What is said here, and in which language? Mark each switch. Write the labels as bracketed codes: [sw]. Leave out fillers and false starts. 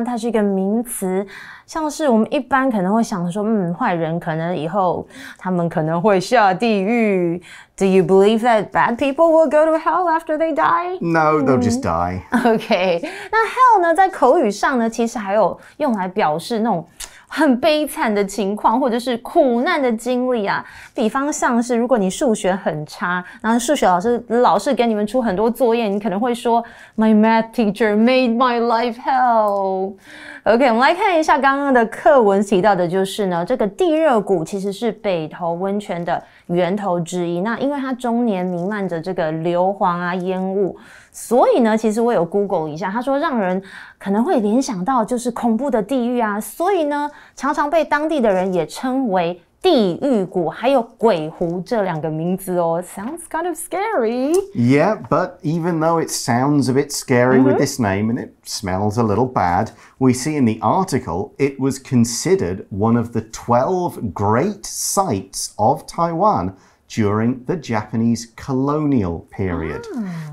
[zh] 它是一个名词，像是我们一般可能会想说，坏人可能以后他们可能会下地狱。 [en] Do you believe that bad people will go to hell after they die? No, they'll just die. [zh] Okay, 那 hell 呢，在口语上呢，其实还有用来表示那种。很悲惨的情况或者是苦难的经历啊，比方像是如果你数学很差，然后数学老师给你们出很多作业，你可能会说 [en] My math teacher made my life hell. [zh] OK, 我们来看一下刚刚的课文提到的，就是呢这个地热谷其实是北投温泉的源头之一，那因为它终年弥漫着这个硫磺啊烟雾，所以呢其实我有 Google 一下，他说让人可能会联想到就是恐怖的地狱啊，所以呢常常被当地的人也称为地狱谷还有鬼湖这两个名字哦。 [en] Sounds kind of scary. Yeah, but even though it sounds a bit scary、mm-hmm. with this name and it smells a little bad, we see in the article it was considered one of the 12 great sites of Taiwan during the Japanese colonial period.、Ah.